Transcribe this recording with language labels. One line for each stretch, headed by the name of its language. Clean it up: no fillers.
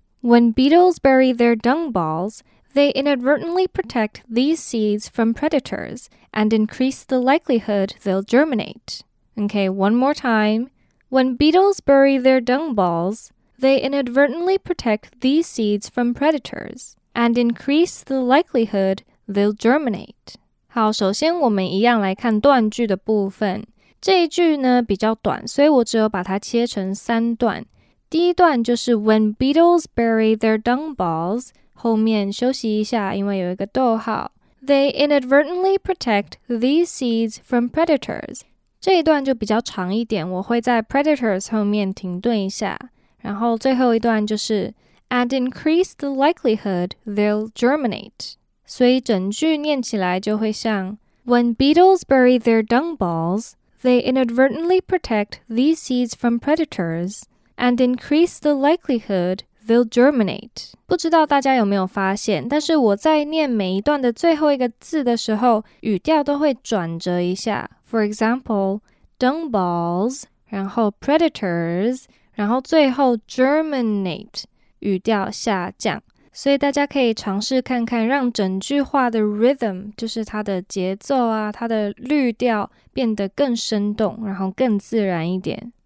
English: When beetles bury their dung balls, they inadvertently protect these seeds from predators and increase the likelihood they'll germinate. Okay, one more time. When beetles bury their dung balls, they inadvertently protect these seeds from predators and increase the likelihood they'll germinate.
Chinese: 好，首先我们一样来看断句的部分。这一句呢比较短，所以我只有把它切成三段。第一段就是
English: when beetles bury their dung balls，
Chinese: 后面休息一下，因为有一个逗号。
English: They inadvertently protect these seeds from predators。
Chinese: 这一段就比较长一点，我会在 predators 后面停顿一下。然后最后一段就是
English: and increase the likelihood they'll germinate.
Chinese: 所以整句念起来就会像
English: When beetles bury their dung balls, they inadvertently protect these seeds from predators and increase the likelihood they'll germinate.
Chinese: 不知道大家有没有发现，但是我在念每一段的最后一个字的时候，语调都会转折一下。
English: For example, dung balls,
Chinese: 然后 predators,然后最后 germinate 语调下降，所以大家可以尝试看看，让整句话的 rhythm 就是它的节奏啊，它的律调变得更生动，然后更自然一点。